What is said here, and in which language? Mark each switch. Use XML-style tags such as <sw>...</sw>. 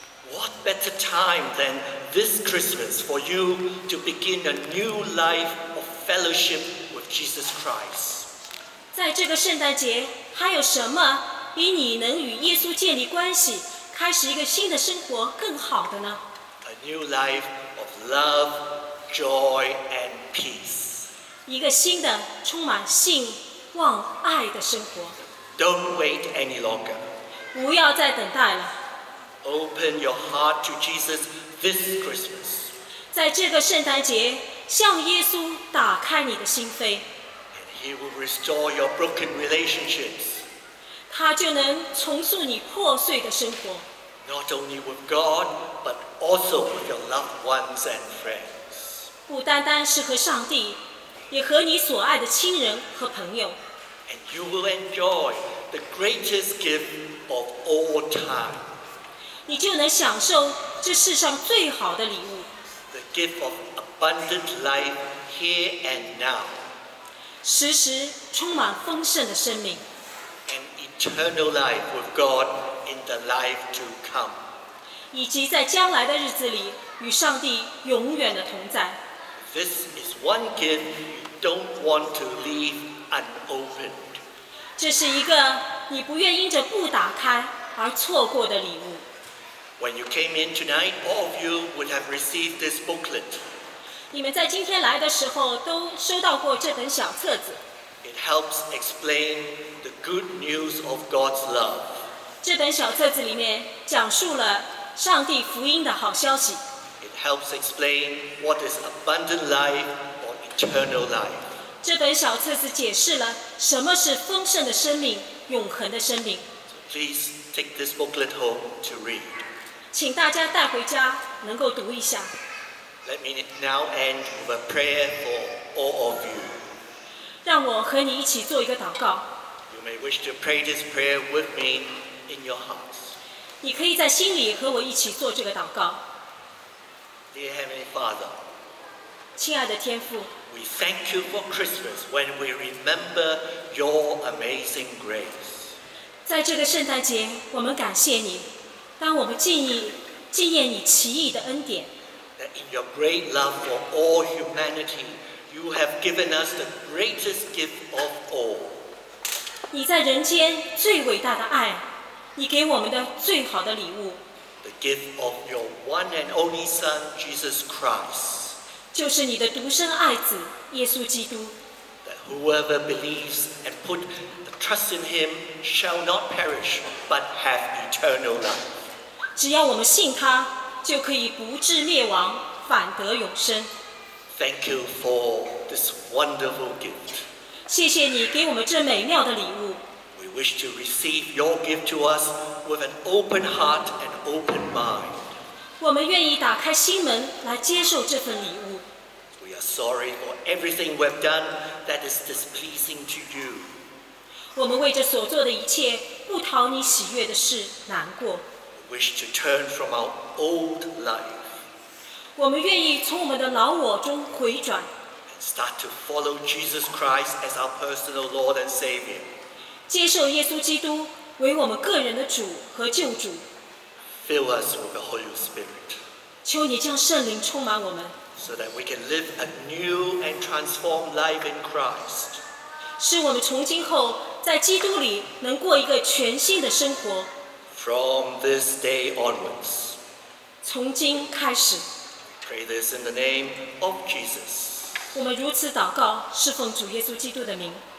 <en>What better time than this Christmas for you to begin a new life of fellowship with Jesus Christ?</en> <zh>在这个圣诞节，还有什么比你能与耶稣建立关系，开始一个新的生活更好的呢？</zh> <en>A new life of love, joy, and peace.</en> <zh>一个新的充满信望爱的生活。</zh> <en>Don't wait any longer.</en> <zh>不要再等待了。</zh> <en>Open your heart to Jesus this Christmas.</en> <zh>在这个圣诞节，向耶稣打开你的心扉。</zh> <en>And he will restore your broken relationships.</en> <zh>他就能重塑你破碎的生活。</zh> <en>Not only with God, but also with your loved ones and friends.</en> <zh>不单单是和上帝，也和你所爱的亲人和朋友。</zh> <en>And you will enjoy the greatest gift of all time.</en> <zh>你就能享受这世上最好的礼物。</zh> <en>The gift of abundant life here and now.</en> <zh>时时充满丰盛的生命。</zh> <en>An eternal life with God in the life to come.</en> <zh>以及在将来的日子里与上帝永远的同在。</zh> <en>This is one gift you don't want to leave unopened.</en> <zh>这是一个你不愿因着不打开而错过的礼物。</zh> <en>When you came in tonight, all of you would have received this booklet.</en> <zh>你们在今天来的时候都收到过这本小册子。</zh> <en>It helps explain the good news of God's love.</en> <zh>这本小册子里面讲述了上帝福音的好消息。</zh> <en>It helps explain what is abundant life or eternal life.</en> <zh>这本小册子解释了什么是丰盛的生命、永恒的生命。</zh> <en>So please take this booklet home to read.</en> <zh>请大家带回家，能够读一下。</zh> <en>Let me now end with a prayer for all of you.</en> <zh>让我和你一起做一个祷告。</zh> <en>You may wish to pray this prayer with me in your hearts.</en> <zh>你可以在心里和我一起做这个祷告。</zh> <en>Dear Heavenly Father,</en> <zh>亲爱的天父,</zh> <en>we thank you for Christmas when we remember your amazing grace.</en> <zh>在这个圣诞节，我们感谢你，当我们纪念你奇异的恩典。</zh> <en>That in your great love for all humanity, you have given us the greatest gift of all.</en> <zh>你在人间最伟大的爱，你给我们的最好的礼物。</zh> <en>The gift of your one and only Son, Jesus Christ.</en> <zh>就是你的独生爱子耶稣基督。</zh> <en>That whoever believes and put the trust in him shall not perish, but have eternal life.</en> <zh>只要我们信他，就可以不至灭亡，反得永生。</zh> <en>Thank you for this wonderful gift.</en> <zh>谢谢你给我们这美妙的礼物。</zh> <en>We wish to receive your gift to us with an open heart and open mind.</en> <zh>我们愿意打开心门来接受这份礼物。</zh> <en>We are sorry for everything we've done that is displeasing to you.</en> <zh>我们为着所做的一切不讨你喜悦的事难过。</zh> <en>We wish to turn from our old life.</en> <zh>我们愿意从我们的老我中回转。</zh> <en>And start to follow Jesus Christ as our personal Lord and Savior.</en> <zh>接受耶稣基督为我们个人的主和救主。</zh> <en>Fill us with the Holy Spirit.</en> <zh>求你将圣灵充满我们。</zh> <en>So that we can live a new and transformed life in Christ.</en> <zh>使我们从今后在基督里能过一个全新的生活。</zh> <en>From this day onwards.</en> <zh>从今开始。</zh> <en>Pray this in the name of Jesus.</en> <zh>我们如此祷告，侍奉主耶稣基督的名。</zh>